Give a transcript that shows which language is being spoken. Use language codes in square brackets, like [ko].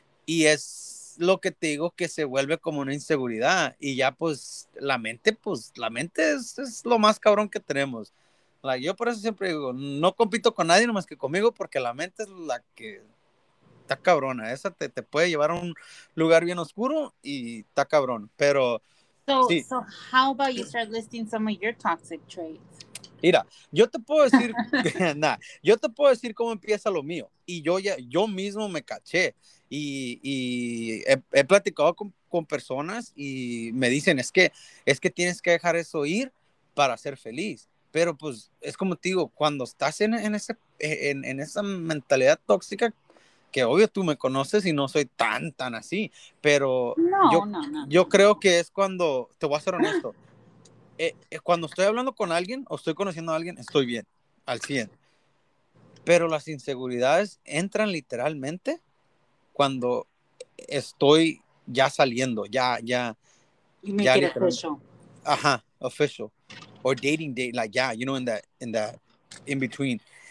[es] Y es lo que te digo, que se vuelve como una inseguridad y ya pues la mente es lo más cabrón que tenemos. Like, yo por eso siempre digo, no compito con nadie nomás que conmigo, porque la mente es la que está cabrona, esa te puede llevar a un lugar bien oscuro y está cabrón, pero... [en] So how about you start listing some of your toxic traits? [es] Mira, yo te puedo decir, yo te puedo decir cómo empieza lo mío. Y yo mismo me caché y he platicado con personas y me dicen, es que tienes que dejar eso ir para ser feliz. Pero pues es como te digo, cuando estás en esa mentalidad tóxica, que obvio tú me conoces y no soy tan, tan así, pero no, yo creo que es cuando, te voy a ser honesto, cuando estoy hablando con alguien o estoy conociendo a alguien, estoy bien, al 100. Pero las inseguridades entran literalmente cuando estoy ya saliendo, ya. [en] You make it official. [es] Ajá, official. [en] Or dating, like, yeah, you know, in that, in between.